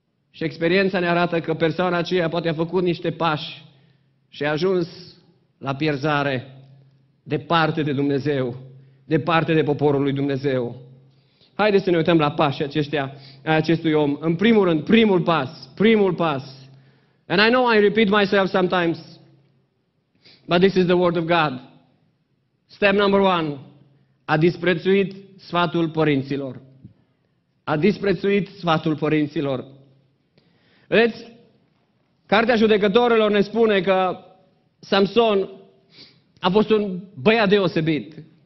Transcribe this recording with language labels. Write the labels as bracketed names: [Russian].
[Romanian] Și experiența ne arată că persoana aceea poate a făcut niște pași și a ajuns la pierzare, departe de Dumnezeu, departe de poporul lui Dumnezeu. Haideți să ne uităm la pașii aceștia, a acestui om. În primul rând, primul pas. [English] And I know I repeat myself sometimes, but this is the word of God. Step number one, [Romanian] a disprețuit sfatul părinților. A disprețuit sfatul părinților. Vedeți, Cartea Judecătorilor ne spune că Samson a fost un băiat deosebit.